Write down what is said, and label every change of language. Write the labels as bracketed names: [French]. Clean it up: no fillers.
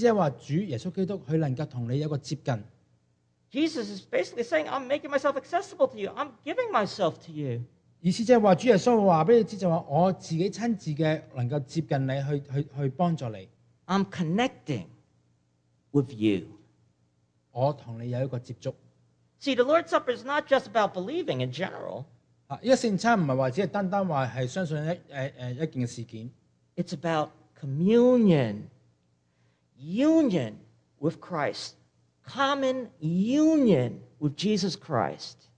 [Cantonese] 意思即系话，主耶稣基督佢能够同你有一个接近。 [English] Jesus is basically saying, "I'm making myself accessible to you. I'm giving myself to you." [Cantonese] 意思即系话，主耶稣话俾你知，就话我自己亲自嘅能够接近你，去帮助你。 [English] I'm connecting with you. [Cantonese] 我同你有一个接触。 [English] See, the Lord's Supper is not just about believing in general. [Cantonese] 啊，呢个圣餐唔系话只系单单话系相信一件事件。 [English] It's about communion, union with Christ, common union with Jesus Christ.